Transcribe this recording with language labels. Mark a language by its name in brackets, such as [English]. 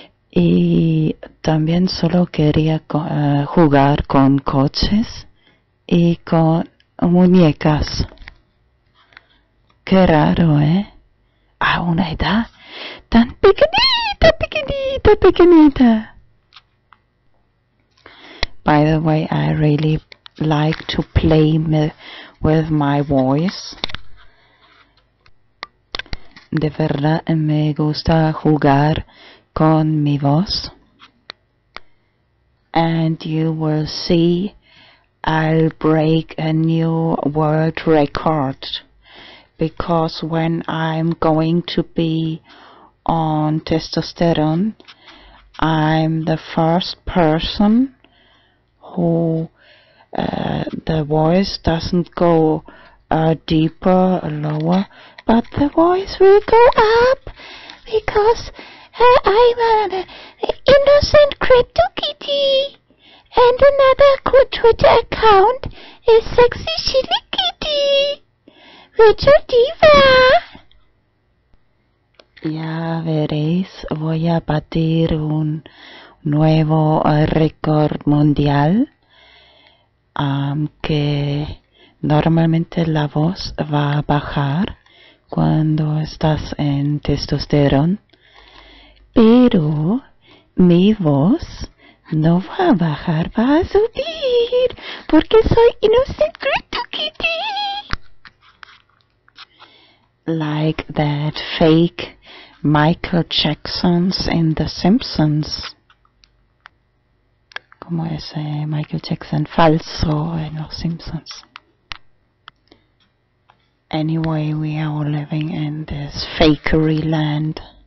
[Spanish] Y también solo quería jugar con coches y con muñecas. Qué raro, ¿eh? A una edad tan pequeñita, pequeñita, pequeñita. [English] By the way, I really like to play with my voice. [Spanish] De verdad me gusta jugar con mi voz. [English] And you will see I'll break a new world record. Because when I'm going to be on testosterone, I'm the first person who the voice doesn't go deeper or lower, but the voice will go up because I'm an innocent crypto kitty and another Twitter account is sexy chili kitty. Richard Diva. [Spanish] Ya veréis, voy a batir un nuevo récord mundial. Que normalmente la voz va a bajar cuando estás en testosterona, pero mi voz no va a bajar, va a subir, porque soy innocent crypto kitty. [English] Like that fake Michael Jackson's in The Simpsons. [Spanish] Como ese Michael Jackson falso en Los Simpsons. [English] Anyway, we are all living in this fakery land.